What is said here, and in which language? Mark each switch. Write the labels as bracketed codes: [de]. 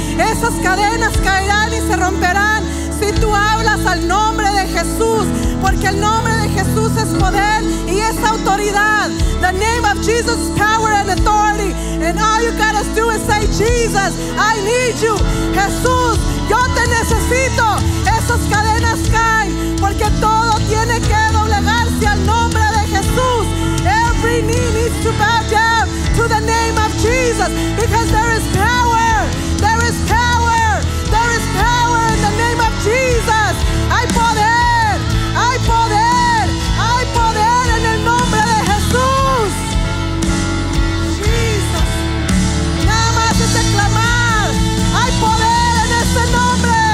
[es] Esas cadenas caerán y se romperán si tú hablas al nombre de Jesús, porque el nombre de Jesús es poder y es autoridad. [en] The name of Jesus is power and authority. And all you gotta do is say, Jesus, I need you. [es] Jesús, yo te necesito. Esas cadenas caen porque todo tiene que doblegarse al nombre de Jesús. [en] Every knee needs to bow down to the name of Jesus, because there is power, there is power, there is power in the name of Jesus. [es] Hay poder, hay poder, hay poder en el nombre de Jesús. Jesus, nada más es clamar. Hay poder en este nombre.